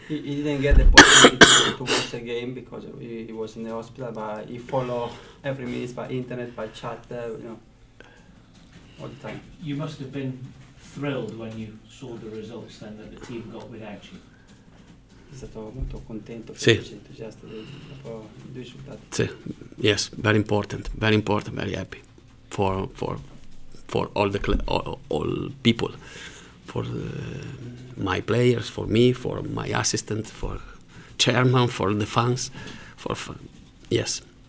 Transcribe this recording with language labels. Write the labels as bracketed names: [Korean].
[English] He didn't get the opportunity to watch the game because he was in the hospital, but he followed every minute by internet, by chat, all the time. You must have been thrilled when you saw the results then that the team got without you. [Italian] È stato molto contento, felice, entusiasta dopo i due risultati. [English] Sì, yes, very important, very important, very happy for all the all people. For my players, for me, for my assistant, for chairman, for the fans, for fun. Yes.